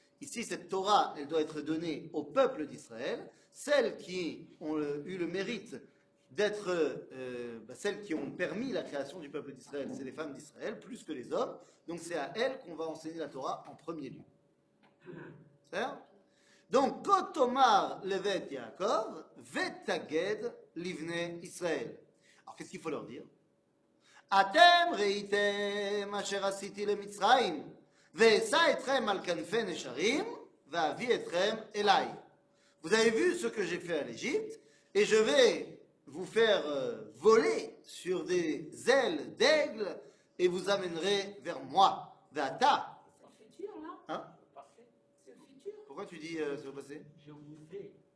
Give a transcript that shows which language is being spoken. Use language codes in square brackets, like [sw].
[fr] Ici, cette Torah, elle doit être donnée au peuple d'Israël, celles qui ont eu le mérite d'être, celles qui ont permis la création du peuple d'Israël, c'est les femmes d'Israël, plus que les hommes. Donc c'est à elles qu'on va enseigner la Torah en premier lieu. C'est-à-dire ? Donc, « [he] Kotomar levet Yaakov, vetaged livne Israël [fr] ». Alors qu'est-ce qu'il faut leur dire ? [he] אתם ראיתם אשר עשיתי למצרים, ואשא אתכם על כנפי נשרים, ואביא אתכם אליי. [fr] Vous avez vu ce que j'ai fait à l'Égypte, et je vais vous faire voler sur des ailes d'aigle, et vous amènerai vers moi, vers Ata. C'est le futur, là. Hein? C'est le futur. Pourquoi tu dis ce que passé? Je vous ai.